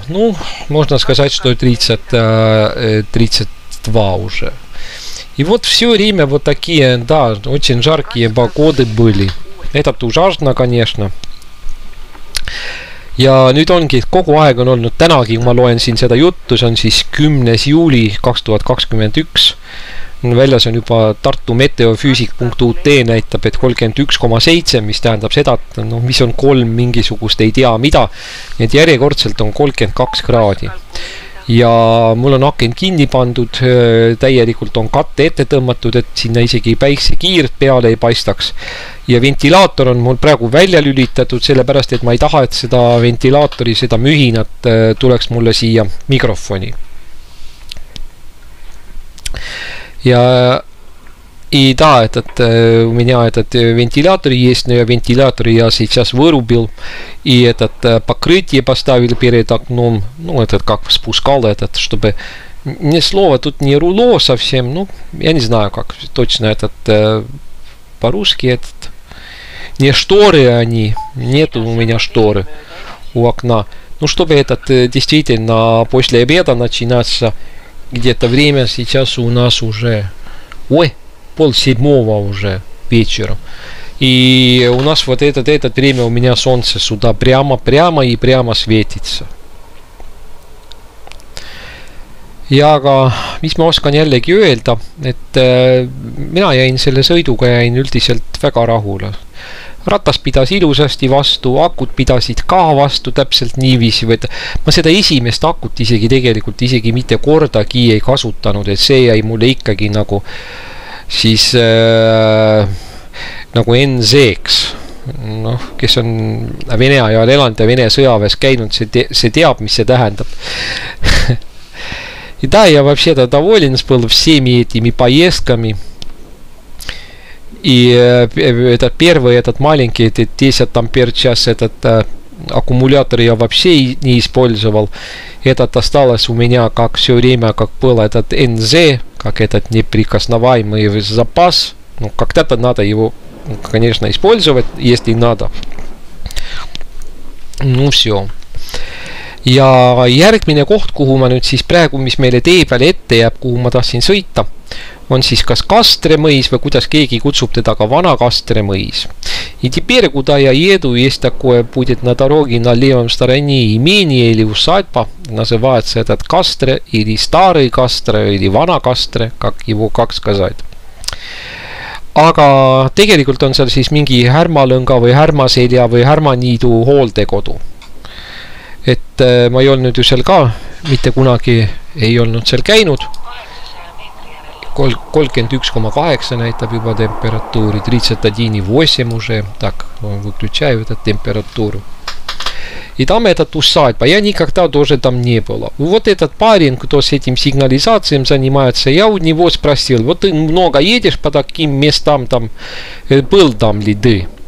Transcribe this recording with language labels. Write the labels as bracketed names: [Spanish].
[Russian] Ну, можно сказать, что 32 уже. И вот все время вот такие, да, очень жаркие погоды были. Это ужасно, конечно. [Estonian] Ja nüüd ongi, kogu aeg on olnud tänagi, kui ma loen siin seda juttu, see on siis 10. juuli 2021. Väljas on juba tartumeteofüüsik.ut näitab, et 31,7, mis tähendab seda, et no, mis on kolm mingisugust, ei tea mida. Need järjekordselt on 32 kraadi. Ja mul on aken kinni pandud, täielikult on katte ette tõmmatud, et sinna isegi päikse kiirt peale ei paistaks. Ja ventilaator on mul praegu välja lülitatud, sellepärast, et ma ei taha, et seda ventilaatori, seda mühinat tuleks mulle siia mikrofoni. [Russian] Ja и да, этот у меня этот вентилятор есть, но я вентилятор я сейчас вырубил и этот покрытие поставил перед окном, ну этот как спускал этот, чтобы ни слова тут не руло совсем, ну я не знаю как точно этот по-русски этот не шторы они, нету у меня шторы у окна. Ну, чтобы этот действительно после обеда начинаться, где-то время сейчас у нас уже, ой, 6:30 уже вечера. И у нас вот это время у меня солнце сюда прямо и прямо светится. [Estonian] Ja aga mis ma oskan jällegi öelda, et mina jäin selle sõiduga jäin üldiselt väga rahule. Ratas pidas ilusasti vastu, akut pidasid ka vastu täpselt niiviisi, et ma seda esimest akut isegi tegelikult isegi mitte kordagi ei kasutanud, et see jäi mulle ikkagi nagu siis nagu NZ-eks. No, kes on Vene ajal elanud ja Vene sõjaväes käinud, see teab, mis see tähendab. [Russian] И да, я вообще-то доволен был всеми этими поездками. И этот первый, этот маленький, этот 10 ампер час, этот аккумулятор я вообще не использовал. Этот осталось у меня как все время, как был этот НЗ, как этот неприкосновенный запас. Ну, когда-то надо его, конечно, использовать, если надо. Ну, все. [Estonian] Ja järgmine koht, kuhu ma nüüd siis praegu, mis meile tee peale ette jääb, kuhu ma tahtsin sõita, on siis kas Kastremõis või kuidas keegi kutsub teda ka vana Kastremõis. [Russian] И теперь, куда я еду, есть такое, будет на дороге на левом стороне имение или усадьба, называется этот Кастре или старый Кастре или вана Кастре, как его как сказать. [Estonian] Aga tegelikult on seal siis mingi härmalõnga või härmaselja või härmaniidu hooldekodu. Et ma ei olnud ju seal ka, mitte kunagi ei olnud seal käinud. 31,8 näitab juba temperatuuri, [Russian] 31,8 уже, так, выключаю эту температуру. И там этот усадьба, я никогда тоже там не было. Вот этот парень, кто с этим сигнализацией занимается, я у него спросил, вот ты много едешь по таким местам, там был там ли ты?